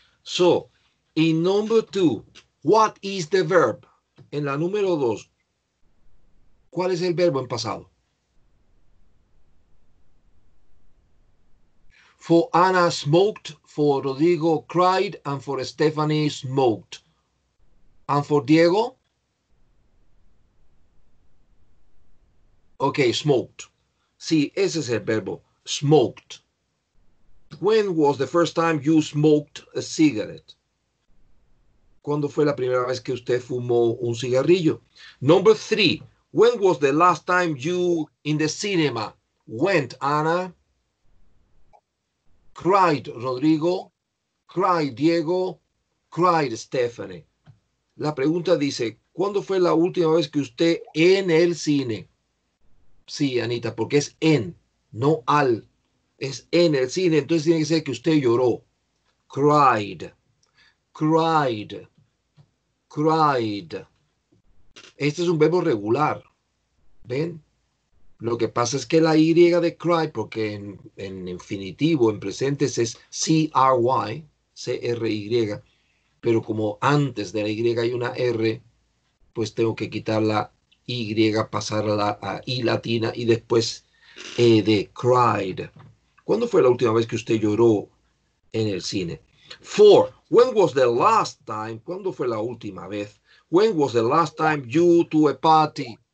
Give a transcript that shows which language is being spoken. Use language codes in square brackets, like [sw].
[en] So, in number two, what is the verb? [es] En la número dos, ¿cuál es el verbo en pasado? [en] For Ana smoked, for Rodrigo cried, and for Stephanie smoked. And for Diego? [es] Okay, smoked. Sí, ese es el verbo, smoked. [en] When was the first time you smoked a cigarette? [es] ¿Cuándo fue la primera vez que usted fumó un cigarrillo? [en] Number three. When was the last time you in the cinema went, Ana? Cried Rodrigo. Cried Diego. Cried Stephanie. [es] La pregunta dice, ¿cuándo fue la última vez que usted en el cine? Sí, Anita, porque es en, no al. Es en el cine, entonces tiene que ser que usted lloró. Cried. Cried. Cried. Este es un verbo regular. ¿Ven? Lo que pasa es que la Y de cry, porque en infinitivo, en presentes, es C-R-Y, C-R-Y. Pero como antes de la Y hay una R, pues tengo que quitar la Y, pasarla a I latina y después E de cried. ¿Cuándo fue la última vez que usted lloró en el cine? [en] Four. When was the last time? [es] ¿Cuándo fue la última vez? [en] When was the last time you to a party?